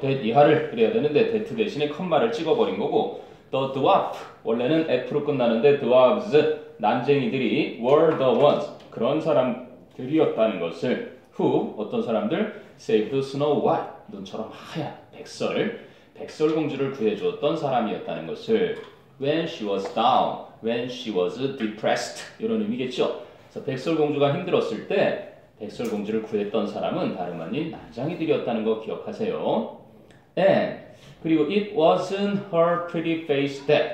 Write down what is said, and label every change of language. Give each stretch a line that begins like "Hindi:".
Korean: That 이하를 그래야 되는데, that 대신에 컴마를 찍어버린 거고,
English: The dwarf,
Korean: 원래는 F로 끝나는데, dwarves, 난쟁이들이,
English: were the ones,
Korean: 그런 사람들이었다는 것을, who, 어떤 사람들,
English: Save the snow white.
Korean: 눈처럼 하얀 백설 공주를 구해주었던 사람이었다는 것을.
English: When she was down, when she was depressed.
Korean: 이런 의미겠죠. 그래서 백설 공주가 힘들었을 때, 백설 공주를 구했던 사람은 다름 아닌 난쟁이들이었다는 거 기억하세요.
English: And,
Korean: 그리고
English: it wasn't her pretty face that.